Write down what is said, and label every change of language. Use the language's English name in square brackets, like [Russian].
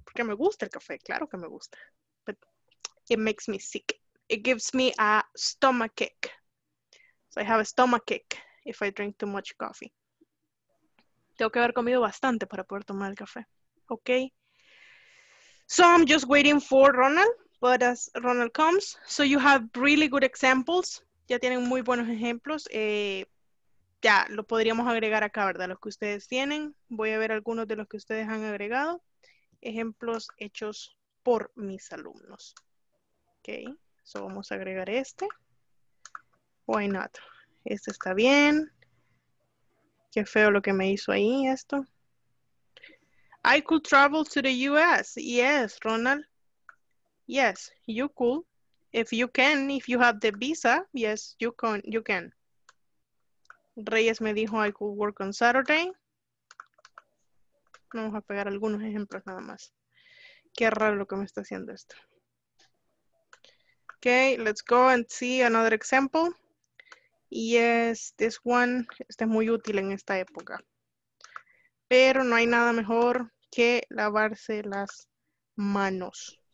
[Spanish] Porque me gusta el café, claro que me gusta. [English] But it makes me sick. It gives me a stomachache. So I have a stomachache if I drink too much coffee. [Spanish] Tengo que haber comido bastante para poder tomar el café. [English] Okay. So I'm just waiting for Ronald. But as Ronald comes, so you have really good examples. [Spanish] Ya tienen muy buenos ejemplos. Ya, lo podríamos agregar acá, ¿verdad? Los que ustedes tienen. Voy a ver algunos de los que ustedes han agregado. Ejemplos hechos por mis alumnos. Okay. So vamos a agregar este. [English] Why not? [Spanish] Este está bien. Qué feo lo que me hizo ahí esto. [English] I could travel to the US. Yes, Ronald. Yes, you could. If you can, if you have the visa, yes, you can. Reyes [Spanish] me dijo [English] I could work on Saturday. [Spanish] Vamos a pegar algunos ejemplos nada más. Qué raro lo que me está haciendo esto. [English] Okay, let's go and see another example. Yes, this one. [Spanish] Este es muy útil en esta época. Pero no hay nada mejor que lavarse las manos.